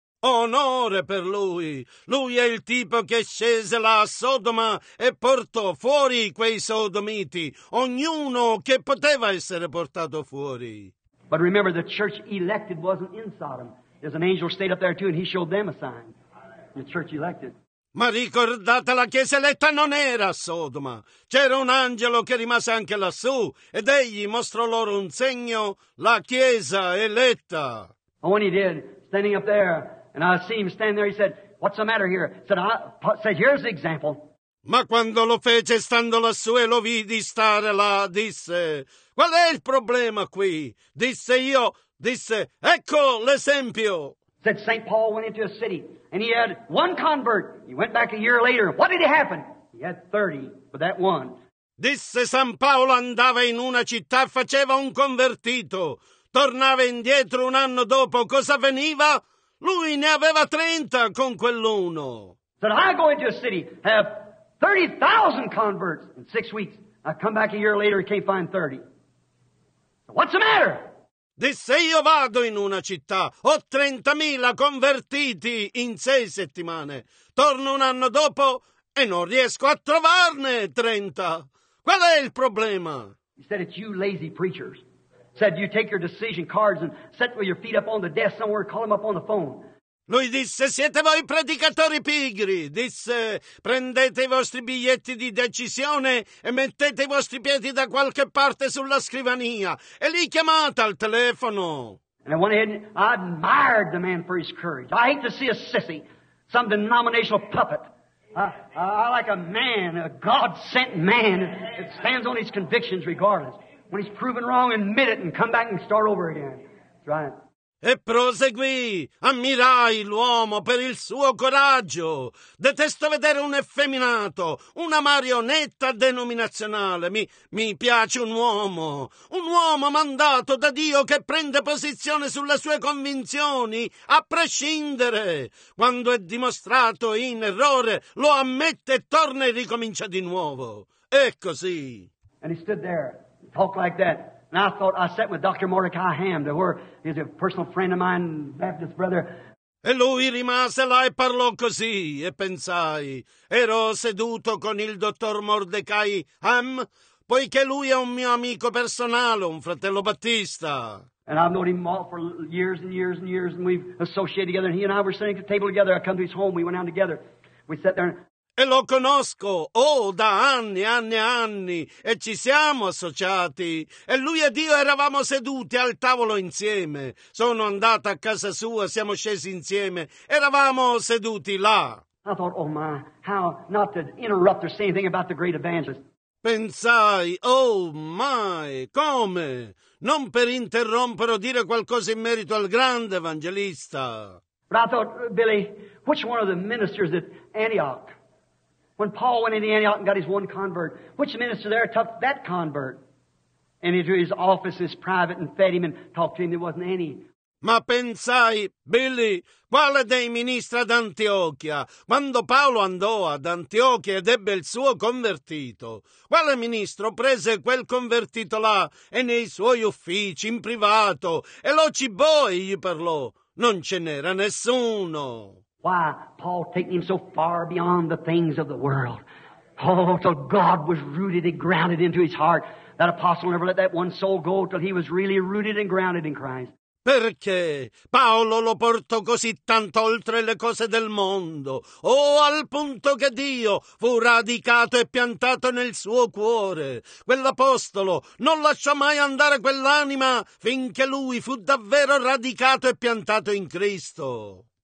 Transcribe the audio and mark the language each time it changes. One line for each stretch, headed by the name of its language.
Italian: Onore per lui. Lui è il tipo che scese là a Sodoma e portò fuori quei sodomiti, ognuno che poteva essere portato fuori.
English: But remember, the church elected wasn't in Sodom. There's an angel stayed up there too, and he showed them a sign. The church elected.
Italian: Ma ricordate, la chiesa eletta non era a Sodoma. C'era un angelo che rimase anche lassù, ed egli mostrò loro un segno, la chiesa eletta.
English: And when he did, standing up there, and I see him stand there, he said, what's the matter here? He said, here's the example.
Italian: Ma quando lo fece, stando lassù, e lo vidi stare là, disse, qual è il problema qui? Disse, ecco l'esempio.
English: Said St. Paul went into a city, and he had one convert. He went back a year later. What did it happen? He had 30 for that one.
Italian: Disse San Paolo andava in una città e faceva un convertito. Tornava indietro un anno dopo. Cosa veniva? Lui ne aveva 30 con quell'uno.
English: Said, I go into a city, have 30,000 converts in 6 weeks. I come back a year later and can't find 30. So what's the matter?
Italian: Disse, io vado in una città, ho 30,000 convertiti in 6 settimane. Torno un anno dopo e non riesco a trovarne 30. Qual è il problema?
English: He said, it's you lazy preachers. Said, you take your decision cards and set with your feet up on the desk somewhere and call them up on the phone.
Italian: Lui disse, siete voi predicatori pigri. Disse, prendete i vostri biglietti di decisione e mettete i vostri piedi da qualche parte sulla scrivania. E li chiamate al telefono.
English: And I went ahead and I admired the man for his courage. I hate to see a sissy, some denominational puppet. I like a man, a God-sent man that stands on his convictions regardless. When he's proven wrong, admit it and come back and start over again. That's right.
Italian: E proseguì, ammirai l'uomo per il suo coraggio. Detesto vedere un effeminato, una marionetta denominazionale. Mi piace un uomo mandato da Dio che prende posizione sulle sue convinzioni, a prescindere. Quando è dimostrato in errore, lo ammette e torna e ricomincia di nuovo. È così.
English: And he stood there, talked like that. And I thought, I sat with Dr. Mordecai Ham, he's a personal friend of mine, Baptist brother.
Italian: E lui rimase là e parlò così, e pensai, ero seduto con il dottor Mordecai Ham, poiché lui è un mio amico personale, un fratello battista.
English: And I've known him all for years and years and years, and we've associated together, and he and I were sitting at the table together. I come to his home, we went down together, we sat there.
Italian: E lo conosco, oh, da anni, anni e anni, e ci siamo associati, e lui ed io eravamo seduti al tavolo insieme. Sono andato a casa sua, siamo scesi insieme, eravamo seduti là.
English: I thought, oh my, how not to interrupt or say anything about the great evangelist.
Italian: Pensai,
English: oh my,
Italian: come? Non per interrompere o dire qualcosa in merito al grande evangelista.
English: But I thought, Billy, which one of the ministers at Antioch, when Paul went into Antioch and got his one convert, which minister there took that convert and into his offices private and fed him and talked to him? There wasn't any.
Italian: Ma pensai, Billy, quale dei ministri ad Antiochia, quando Paolo andò ad Antiochia ed ebbe il suo convertito, quale ministro prese quel convertito là e nei suoi uffici, in privato, e lo cibò e gli parlò? Non ce n'era nessuno.
English: Why, Paul taking him so far beyond the things of the world. Oh, till God was rooted and grounded into his heart. That apostle never let that one soul go till he was really rooted and grounded in Christ.
Italian: Perché Paolo lo portò così tanto oltre le cose del mondo, al punto che Dio fu radicato e piantato nel suo cuore. Quell'apostolo non lasciò mai andare quell'anima finché lui fu davvero radicato e piantato in Cristo.